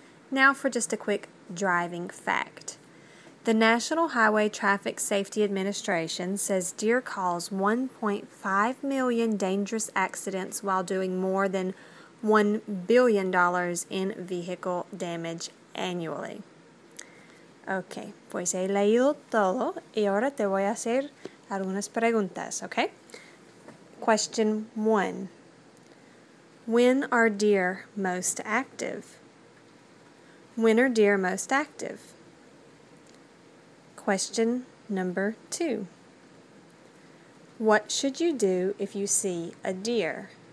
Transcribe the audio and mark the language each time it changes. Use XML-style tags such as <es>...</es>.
<en>Now for just a quick driving fact. The National Highway Traffic Safety Administration says deer cause 1.5 million dangerous accidents while doing more than $1 billion in vehicle damage annually.</en> <es>Ok, pues he leído todo y ahora te voy a hacer algunas preguntas, ¿ok?</es> <en>Question 1. When are deer most active? When are deer most active? Question number 2. What should you do if you see a deer?</en>